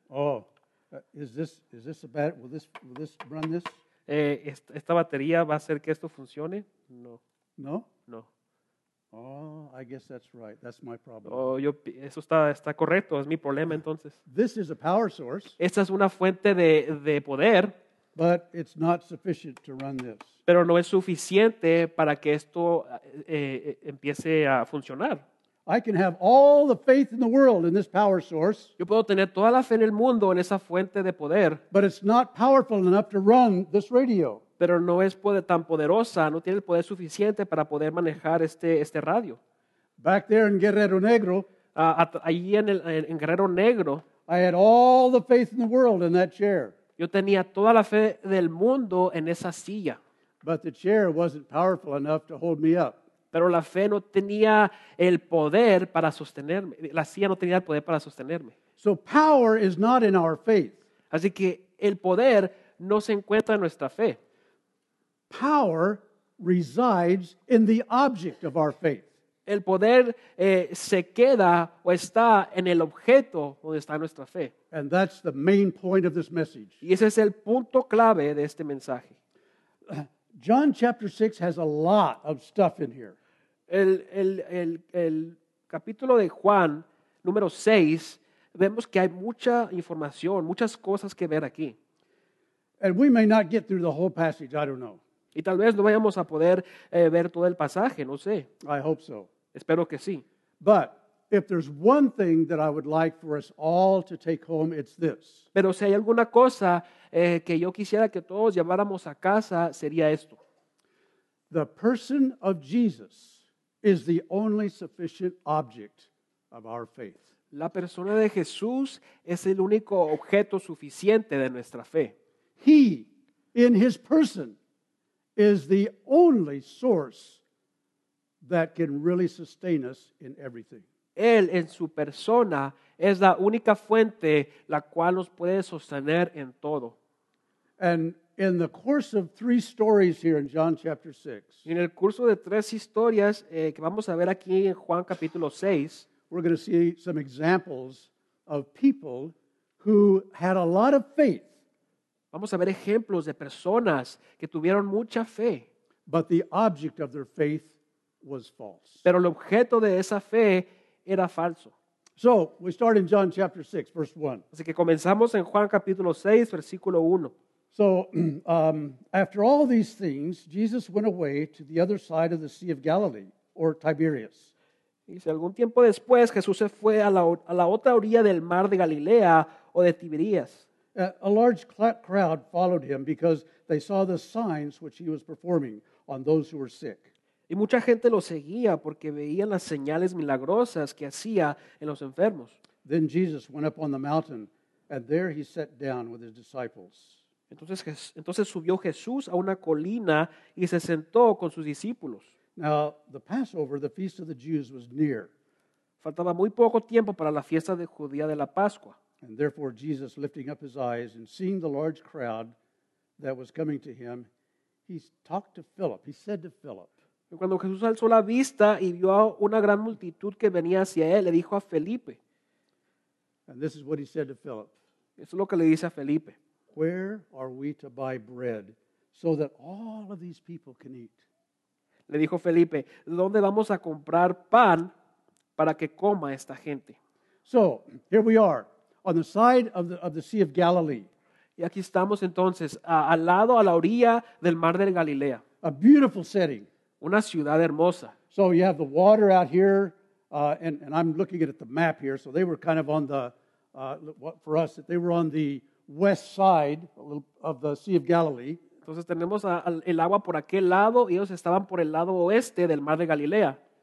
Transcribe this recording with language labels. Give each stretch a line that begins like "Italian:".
English: Oh, is this a bad? Will this run this?
Spanish: Esta batería va a hacer que esto funcione? No. No. No.
English: Oh, I guess that's right. That's my problem.
Spanish: Oh, yo, eso está correcto. Es mi problema entonces.
English: This is a power source.
Spanish: Esta es una fuente de poder.
English: But it's not sufficient to run this.
Spanish: Pero no es suficiente para que esto empiece a funcionar.
English: I can have all the faith in the world in this power source.
Spanish: Yo puedo tener toda la fe en el mundo en esa fuente de poder.
English: But it's not powerful enough to run this radio.
Spanish: Pero no es tan poderosa, no tiene el poder suficiente para poder manejar este radio.
English: Back there in Guerrero Negro,
Spanish: allí en Guerrero Negro,
English: I had all the faith in the world in that chair.
Spanish: Yo tenía toda la fe del mundo en esa silla.
English: But the chair wasn't powerful enough to hold me up.
Spanish: Pero la fe no tenía el poder para sostenerme. La silla no tenía el poder para sostenerme.
English: So power is not in our faith.
Spanish: Así que el poder no se encuentra en nuestra fe.
English: Power resides in the object of our faith.
Spanish: El poder se queda o está en el objeto donde está nuestra fe.
English: And that's the main point of this message.
Spanish: Y ese es el punto clave de este mensaje.
English: John chapter 6 has a lot of stuff in here.
Spanish: El capítulo de Juan, número 6, vemos que hay mucha información, muchas cosas que ver aquí.
English: And we may not get through the whole passage, I don't know.
Spanish: Y tal vez no vayamos a poder ver todo el pasaje, no sé.
English: I hope so.
Spanish: Espero que sí.
English: But if there's one thing that I would like for us all to take home, it's this.
Spanish: Pero si hay alguna cosa que yo quisiera que todos lleváramos a casa, sería esto.
English: The person of Jesus is the only sufficient object of our faith.
Spanish: La persona de Jesús es el único objeto suficiente de nuestra fe.
English: He, in his person, is the only source that can really sustain us in everything.
Spanish: Él en su persona es la única fuente la cual nos puede sostener en todo.
English: And in the course of three stories here in John chapter 6,
Spanish: en el curso de tres historias que vamos a ver aquí en Juan capítulo 6,
English: we're going to see some examples of people who had a lot of faith.
Spanish: Vamos a ver ejemplos de personas que tuvieron mucha fe.
English: But the object of their faith was false.
Spanish: Pero el objeto de esa fe era falso.
English: So, we start in John chapter 6, verse 1.
Spanish: Así que comenzamos en Juan capítulo 6, versículo 1.
English: So, after all these things, Jesus went away to the other side of the Sea of Galilee, or Tiberias.
Spanish: Dice, algún tiempo después, Jesús se fue a la otra orilla del mar de Galilea, o de Tiberias.
English: A large crowd followed him because they saw the signs which he was performing on those who were sick.
Spanish: Y mucha gente lo seguía porque veían las señales milagrosas que hacía en los enfermos.
English: Then Jesus went up on the mountain, and there he sat down with his disciples.
Spanish: Entonces subió Jesús a una colina y se sentó con sus discípulos.
English: Now, the Passover, the feast of the Jews, was near.
Spanish: Faltaba muy poco tiempo para la fiesta de judía de la Pascua.
English: And therefore Jesus, lifting up his eyes and seeing the large crowd that was coming to him, he talked to Philip. He said to Philip.
Spanish: Cuando Jesús alzó la vista y vio a una gran multitud que venía hacia él, le dijo a Felipe.
English: And this is what he said to Philip.
Spanish: Eso es lo que le dice a Felipe.
English: Where are we to buy bread so that all of these people can eat?
Spanish: Le dijo Felipe, ¿dónde vamos a comprar pan para que coma esta gente?
English: So, here we are. On the side of the Sea of Galilee.
Spanish: Y aquí estamos entonces, al lado, a la orilla del mar de Galilea.
English: A beautiful setting.
Spanish: Una ciudad hermosa.
English: So you have the water out here, and I'm looking at the map here, so they were kind of on the, for us, they were on the west side of the Sea of Galilee.
Spanish: Entonces tenemos el agua por aquel lado, y ellos estaban por el lado oeste del mar de Galilea.